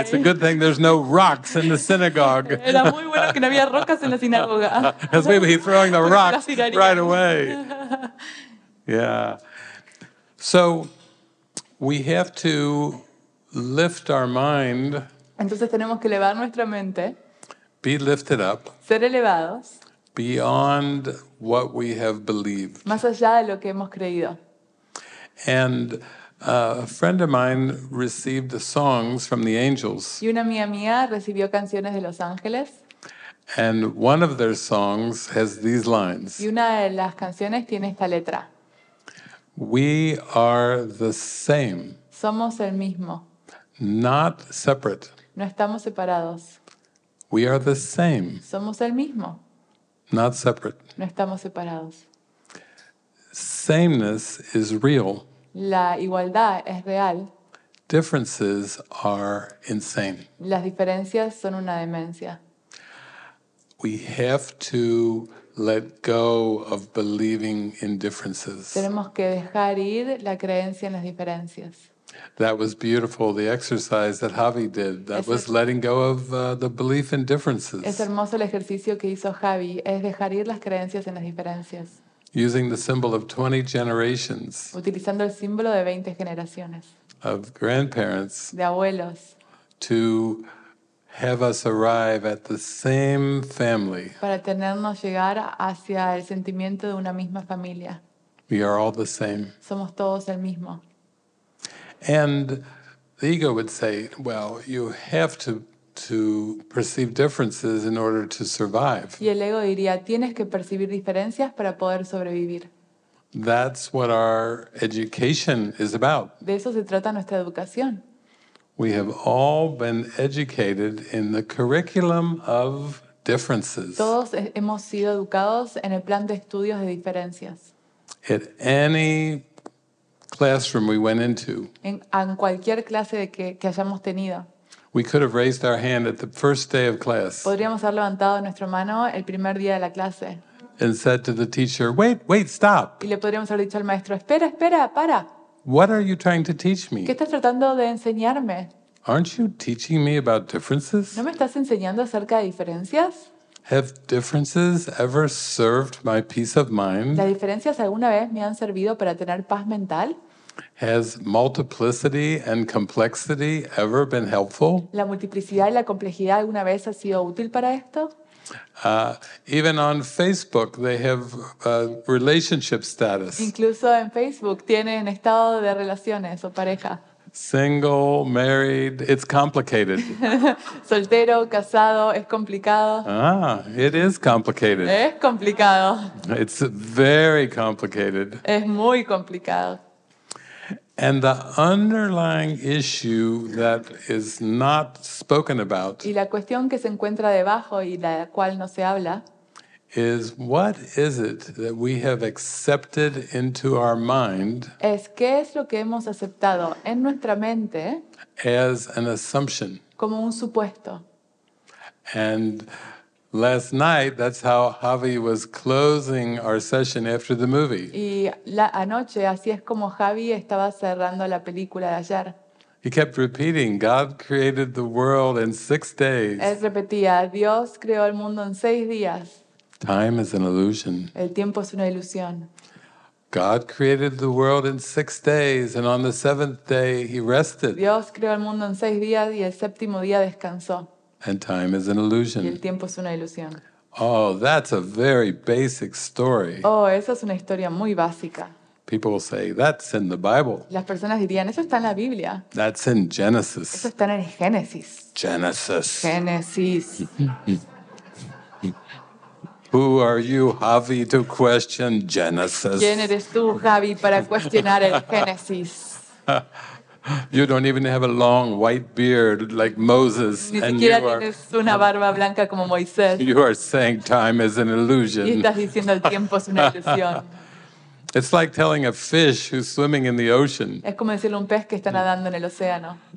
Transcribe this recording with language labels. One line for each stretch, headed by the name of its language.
English: It's a good thing there's no rocks in the synagogue.
Spanish: Era muy bueno que no había rocas en la sinagoga.
English: Because we'd be throwing the rocks right away. Yeah. So we have to lift our mind.
Spanish: Entonces tenemos que elevar nuestra mente.
English: Be lifted up.
Spanish: Ser elevados.
English: Beyond what we have believed.
Spanish: Más allá de lo que hemos creído.
English: And a friend of mine received the songs from the angels.
Spanish: Y una amiga mía recibió canciones de los ángeles.
English: And one of their songs has these lines.
Spanish: Y una de las canciones tiene esta letra.
English: We are the same.
Spanish: Somos el mismo.
English: Not separate.
Spanish: No estamos separados.
English: We are the same.
Spanish: Somos el mismo.
English: Not separate.
Spanish: No estamos separados.
English: Sameness is real.
Spanish: La igualdad es real.
English: Differences are insane.
Spanish: Las diferencias son una demencia.
English: We have to let go of believing in differences.
Spanish: Tenemos que dejar ir la creencia en las diferencias.
English: That was beautiful, the exercise that Javi did. That was letting go of the belief in differences.
Spanish: Es hermoso el ejercicio que hizo Javi, es dejar ir las creencias en las diferencias.
English: Using the symbol of 20 generations.
Spanish: Utilizando el símbolo de 20 generaciones.
English: Of grandparents.
Spanish: De abuelos.
English: To have us arrive at the same family.
Spanish: Para tenernos llegar hacia el sentimiento de una misma familia.
English: We are all the same.
Spanish: Somos todos el mismo.
English: And the ego would say, well, you have to perceive differences in order to survive.
Spanish: Y el ego diría, tienes que percibir diferencias para poder sobrevivir.
English: That's what our education is about.
Spanish: De eso se trata nuestra educación.
English: We have all been educated in the curriculum of differences.
Spanish: Todos hemos sido educados en el plan de estudios de diferencias.
English: At any classroom we went into.
Spanish: En cualquier clase de que hayamos tenido.
English: We could have raised our hand at the first day of class.
Spanish: Podríamos haber levantado nuestra mano el primer día de la clase.
English: And said to the teacher, wait, stop.
Spanish: Y le podríamos haber dicho al maestro, espera, para.
English: What are you trying to teach me?
Spanish: ¿Qué estás tratando de enseñarme?
English: Aren't you teaching me about differences?
Spanish: ¿No me estás enseñando acerca de diferencias?
English: Have differences ever served my peace of mind?
Spanish: ¿Las diferencias alguna vez me han servido para tener paz mental?
English: Has multiplicity and complexity ever been helpful?
Spanish: ¿La multiplicidad y la complejidad alguna vez ha sido útil para esto?
English: Even on Facebook, they have relationship status.
Spanish: Incluso en Facebook tienen estado de relaciones o pareja.
English: Single, married, it's complicated.
Spanish: Soltero, casado, es complicado.
English: Ah, it is complicated.
Spanish: Es complicado.
English: It's very complicated.
Spanish: Es muy complicado.
English: And the underlying issue that is not spoken about.
Spanish: Y la cuestión que se encuentra debajo y la cual no se habla.
English: Is what is it that we have accepted into our mind?
Spanish: Es qué es lo que hemos aceptado en nuestra mente.
English: As an assumption.
Spanish: Como un supuesto.
English: And last night, that's how Javi was closing our session after the movie.
Spanish: Y la anoche así es como Javi estaba cerrando la película de ayer.
English: He kept repeating, "God created the world in 6 days."
Spanish: Él repetía, Dios creó el mundo en 6 días.
English: Time is an illusion.
Spanish: El tiempo es una ilusión.
English: God created the world in 6 days, and on the 7th day He rested.
Spanish: Dios creó el mundo en 6 días y el séptimo día descansó.
English: And time is an illusion.
Spanish: Y el tiempo es una ilusión.
English: Oh, that's a very basic story.
Spanish: Oh, esa es una historia muy básica.
English: People will say, that's in the Bible.
Spanish: Las personas dirían, eso está en la Biblia.
English: That's in Genesis.
Spanish: Eso está en Génesis.
English: Genesis.
Spanish: Génesis.
English: Who are you, Javi, to question Genesis?
Spanish: ¿Quién eres tú, Javi, para cuestionar el Génesis?
English: You don't even have a long white beard like Moses.
Spanish: Ni siquiera tienes una barba blanca como Moisés.
English: You are saying time is an illusion.
Spanish: Y estás diciendo el tiempo es una ilusión.
English: It's like telling a fish who's swimming in the ocean.
Spanish: Es como decirle a un pez que está nadando en el océano.